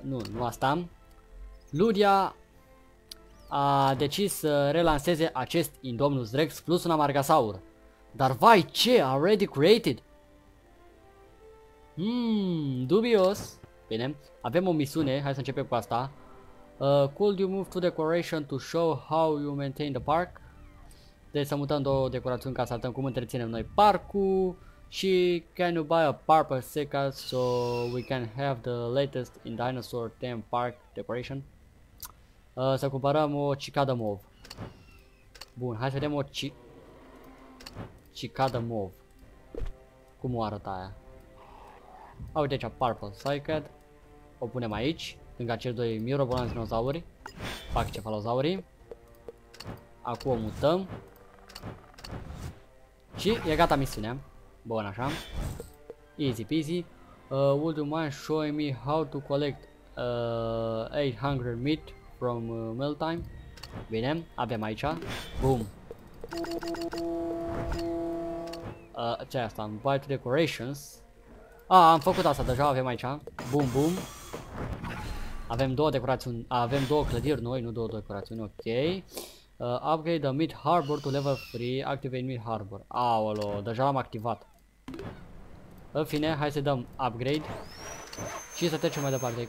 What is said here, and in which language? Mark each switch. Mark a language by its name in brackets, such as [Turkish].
[Romanian] Nu asta. Ludia a decis să relanseze acest Indominus Rex plus un amargasaur. Dar vai ce, [English] already created? [Romanian] Dubios. Bine, avem o misiune, hai să începem cu asta. [English] Could you move to decoration to show how you maintain the park? [Romanian] Deci să mutăm două decorațiuni ca să arătăm cum întreținem noi parcul. [English] Și can you buy a park seca so we can have the latest in dinosaur theme park decoration? [Romanian] Să cumpărăm o cicadă mov. Bun, hai să vedem o cicadă mov. Cum o arăta aia? A, uite aici, [English] purple cycad. [Romanian] O punem aici, lângă acel doi mirobolani dinozauri. Fac cefalozauri. Acum o mutăm. Și e gata misiunea. Bun, așa. [English] Easy peasy. Would you mind showing me how to collect 800 meat from meal time? [Romanian] Bine, avem aici. Boom. Ce-i asta? [English] Bite decorations. [Romanian] Ah, am făcut asta deja, avem aici. Boom, boom. Avem două decorațiuni, avem două clădiri noi, nu două decorațiuni, ok. [English] Upgrade the meat harbor to level 3, activate meat harbor. [Romanian] Aolo, deja l-am activat. În fine, hai să dăm upgrade. Și să trecem mai departe.